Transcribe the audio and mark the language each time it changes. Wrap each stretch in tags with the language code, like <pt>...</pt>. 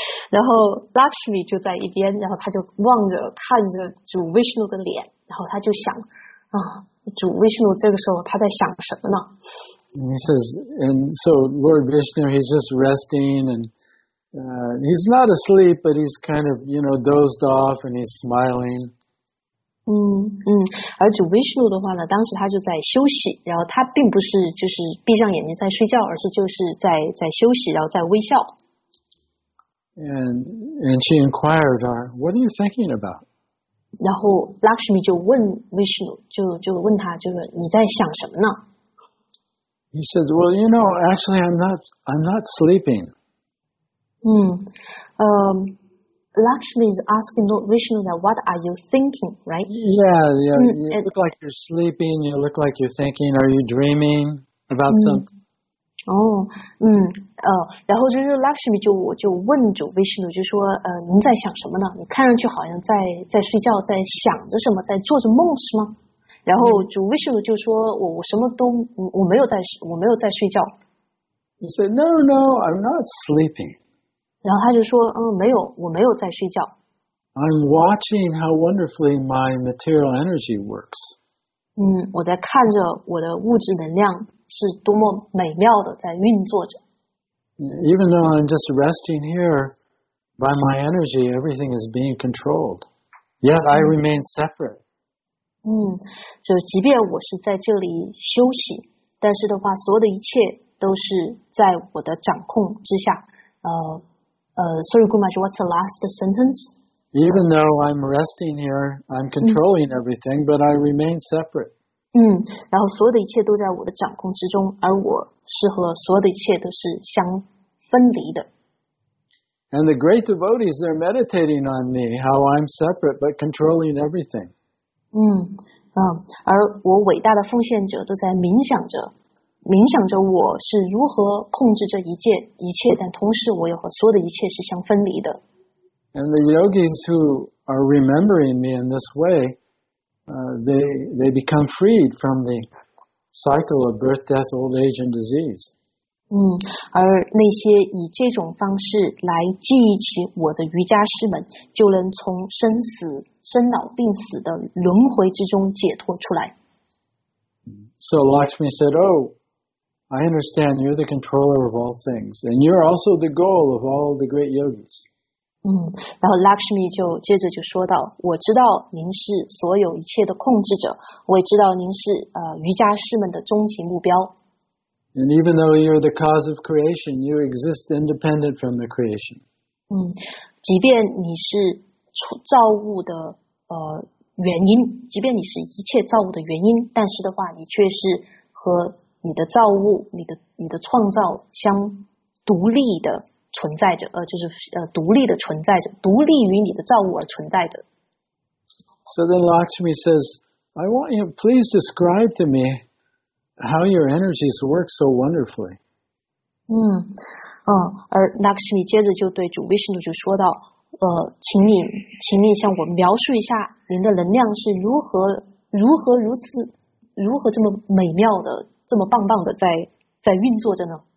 <zh>然后 Lakshmi 就在一边，然后他就望着看着主 Vishnu 的脸，然后他就想，主 Vishnu 这个时候他在想什么呢？</zh> <en>And he says, and so Lord Vishnu, he's just resting, and he's not asleep, but he's kind of, you know, dozed off, and he's smiling.</en> <zh>而主 Vishnu 的话呢，当时他就在休息，然后他并不是就是闭上眼睛在睡觉，而是就是在休息，然后在微笑。</zh> <en>And she inquired her, what are you thinking about?</en> <zh>然后 Lakshmi 就问 Vishnu, 就问他就是你在想什么呢？</zh> <en>He said, well, you know, actually I'm not sleeping. Lakshmi is asking Vishnu that what are you thinking, right? Yeah. You look like you're sleeping, you look like you're thinking, are you dreaming about something?</en> <zh>然后就是 Lakshmi 就问主 Vishnu 就说您在想什么呢？你看上去好像在睡觉，在想着什么，在做着梦是吗？然后主 Vishnu 就说我什么都我没有在睡觉。</zh> <en>He said, No, I'm not sleeping.</en> <zh>然后他就说没有，我没有在睡觉。</zh> <en>I'm watching how wonderfully my material energy works.</en> <zh>我在看着我的物质能量。是多么美妙的在运作着。</zh> <en>Even though I'm just resting here, by my energy, everything is being controlled. Yet I remain separate.</en> <zh>就即便我是在这里休息，但是的话，所有的一切都是在我的掌控之下。</zh> <en>Sorry, Gumaj, what's the last sentence? Even though I'm resting here, I'm controlling everything, but I remain separate.</en> <zh>然后所有的一切都在我的掌控之中，而我是和所有的一切都是相分离的。</zh> <en>And the great devotees, they're meditating on me, how I'm separate but controlling everything.</en> <zh>而我伟大的奉献者都在冥想着我是如何控制这一切，但同时我又和所有的一切是相分离的。</zh> <en>And the yogis who are remembering me in this way,they become freed from the cycle of birth, death, old age, and disease.</en> <zh>而那些以这种方式来记忆起我的瑜伽师们，就能从生死、生老病死的轮回之中解脱出来。</zh> <en>So Lakshmi said, "Oh, I understand. You're the controller of all things, and you're also the goal of all the great yogis."</en> <zh>然后 Lakshmi 就接着就说道，我知道您是所有一切的控制者，我也知道您是瑜伽师们的终极目标。</zh> <en>And even though you're the cause of creation, you exist independent from the creation.</en> <zh>即便你是造物的原因，即便你是一切造物的原因，但是的话你却是和你的造物，你的创造相独立的。存在着，就是独立的存在着，独立于你的造物而存在的。</zh> <en>So then Lakshmi says, "I want you, please describe to me how your energies work so wonderfully."</en> <zh>而 Lakshmi 接着就对主 Vishnu 就说道，请你向我描述一下您的能量是如何如此，如何这么美妙的，这么棒棒的在运作着呢？</zh>